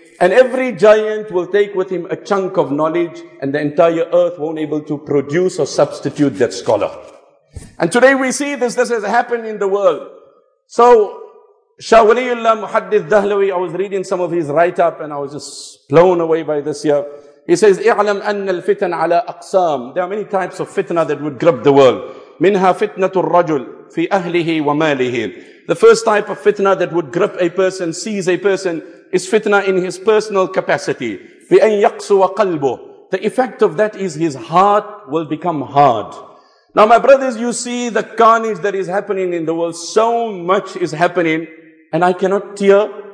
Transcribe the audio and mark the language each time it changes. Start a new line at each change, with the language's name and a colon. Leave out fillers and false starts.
English: And every giant will take with him a chunk of knowledge and the entire earth won't able to produce or substitute that scholar. And today we see this has happened in the world. So, Shawliyullah Muhaddith Dahlawi, I was reading some of his write-up and I was just blown away by this here. He says,
Arabic: اعلم أن الفتن على أقسام.
English: There are many types of fitna that would grip the world.
Arabic: منها فتنة الرجل في أهله وماله.
English: The first type of fitna that would grip a person, seize a person, is fitna in his personal capacity.
Arabic: بأن يقسو قلبه.
English: The effect of that is his heart will become hard. Now my brothers, you see the carnage that is happening in the world. So much is happening and I cannot tear.